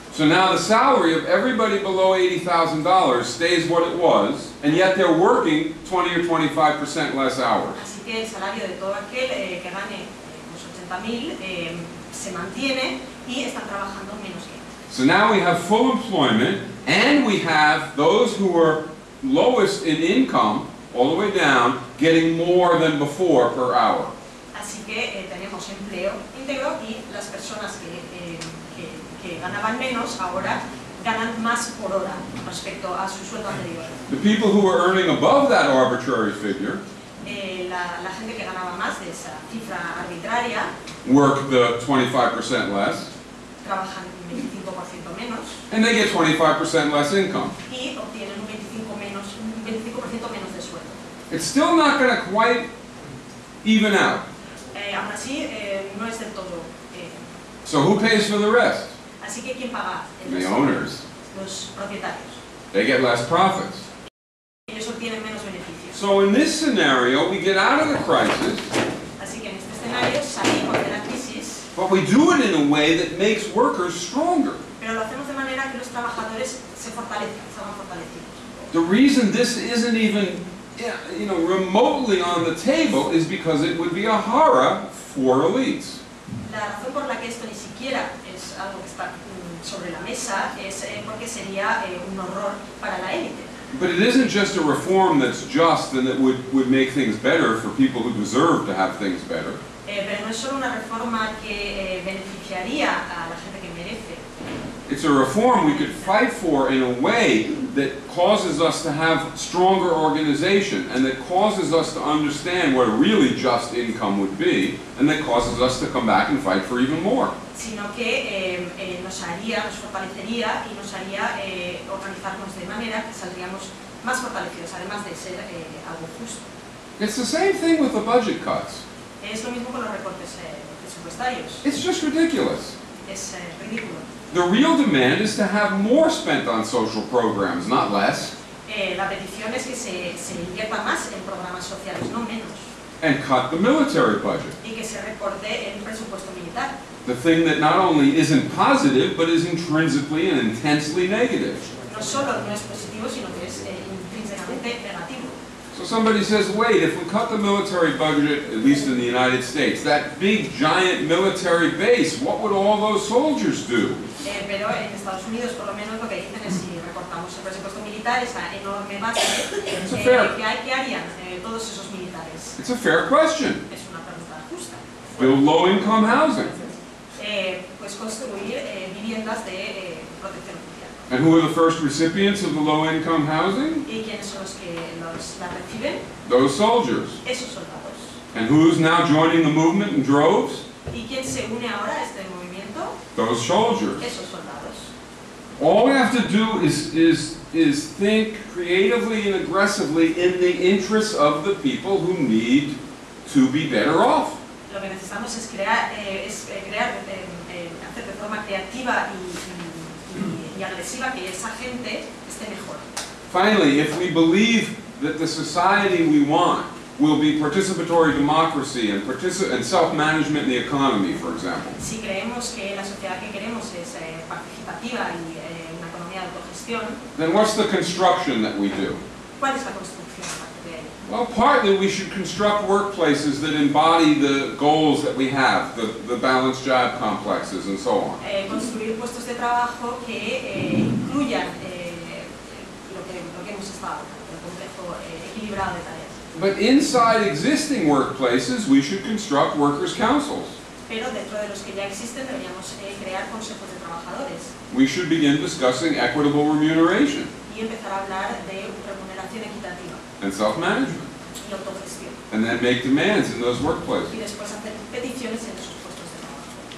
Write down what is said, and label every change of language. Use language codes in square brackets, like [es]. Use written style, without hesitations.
[en] So now the salary of everybody below $80,000 stays what it was, and yet they're working 20 or 25% less hours. [es] Así que el salario de todo aquel que gane los 80,000 se mantiene y están trabajando menos que antes. [en] So now we have full employment, and we have those who are lowest in income, all the way down, getting more than before per hour. [es] Así que tenemos empleo íntegro y las personas que... ganaban menos, ahora ganan más por hora respecto a su sueldo anterior. [en] The people who were earning above that arbitrary figure, [es] la gente que ganaba más de esa cifra arbitraria, [en] work the 25% less, [es] trabajan 25% menos, [en] and they get 25% less income. [es] Y obtienen un 25% menos de sueldo. [en] It's still not going to quite even out. [es] Aún así, no es del todo. [en] So who pays for the rest? [es] Así que, ¿quién paga el the resto? [en] Owners. [es] Los propietarios. [en] They get less profits. [es] Ellos obtienen menos beneficios. [en] So in this scenario, we get out of the crisis. [es] Así que en este escenario salimos de la crisis. [en] But we do it in a way that makes workers stronger. [es] Pero lo hacemos de manera que los trabajadores se fortalezcan, se van fortalecidos. [en] The reason this isn't even, you know, remotely on the table is because it would be a horror for elites. [es] La razón por la que esto ni siquiera es algo que está sobre la mesa es porque sería un horror para la élite. [en] But it isn't just a reform that's just and that would make things better for people who deserve to have things better. [es] Pero no es solo una reforma que beneficiaría a la gente que merece. [en] It's a reform we could fight for in a way that causes us to have stronger organization and that causes us to understand what a really just income would be and that causes us to come back and fight for even more. [es] sino que nos haría, nos fortalecería y nos haría organizarnos de manera que saldríamos más fortalecidos, además de ser algo justo. [en] It's the same thing with the budget cuts. [es] Es lo mismo con los recortes presupuestarios. [en] It's just ridiculous. [es] Es ridículo. [en] The real demand is to have more spent on social programs, not less. [es] La petición es que se invierta más en programas sociales, no menos. [en] And cut the military budget. [es] Y que se recorte el presupuesto militar. [en] The thing that not only isn't positive, but is intrinsically and intensely negative. [es] No solo no es positivo, sino que es intrínsecamente negativo. [en] So somebody says, wait, if we cut the military budget, at least in the United States, that big, giant military base, what would all those soldiers do? [es] Pero en Estados Unidos, por lo menos, lo que dicen es si recortamos el presupuesto militar, esa enorme base, ¿qué harían todos esos militares? [en] It's a fair question. [es] Es una pregunta justa. [en] Build low-income housing. [es] Pues construir viviendas de protección oficial. [en] And who are the first recipients of the low-income housing? [es] ¿Y quiénes son los que la reciben? [en] Those soldiers. [es] Esos soldados. [en] And who's now joining the movement in droves? [es] ¿Y quién se une ahora a este movimiento? [en] Those soldiers. [es] Esos soldados. [en] All we have to do is think creatively and aggressively in the interests of the people who need to be better off. [es] Lo que necesitamos es crear hacer de forma creativa y agresiva que esa gente esté mejor. [en] Finally, if we believe that the society we want will be participatory democracy and self-management in the economy, for example. [es] Si creemos que la sociedad que queremos es participativa y una economía de autogestión. [en] Then what's the construction that we do? [es] ¿Cuál es la construcción? [en] Well, partly we should construct workplaces that embody the goals that we have, the balanced job complexes and so on. [es] Construir puestos de trabajo que incluyan lo que hemos estado, el complejo equilibrado de tareas. [en] But inside existing workplaces, we should construct workers' councils. [es] Pero dentro de los que ya existen, deberíamos crear consejos de trabajadores. [en] We should begin discussing equitable remuneration. [es] Y empezar a hablar de remuneración equitativa. [en] And self-management. [es] Y autogestión. [en] And then make demands in those workplaces. [es] Y después hacer peticiones en esos puestos de trabajo.